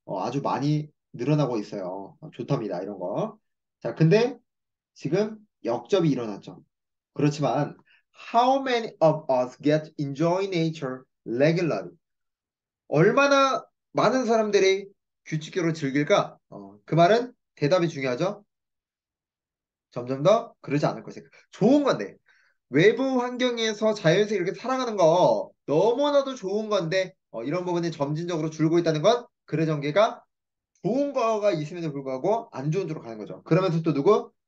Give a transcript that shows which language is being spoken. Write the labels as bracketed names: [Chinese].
[Korean] 아주 많이 늘어나고 있어요. 좋답니다, 이런 거. 자, 근데 지금 역접이 일어났죠. [English] 그렇지만 how many of us get enjoy nature regularly? [Korean] 얼마나 많은 사람들이 규칙적으로 즐길까? 그 말은 대답이 중요하죠. 점점 더 그러지 않을 것이 좋은 건데 외부 환경에서 자연스럽게 이렇게 살아가는 거 너무나도 좋은 건데 이런 부분이 점진적으로 줄고 있다는 건 글의 전개가 좋은 거가 있음에도 불구하고 안 좋은 쪽으로 가는 거죠. 그러면서 또 누구?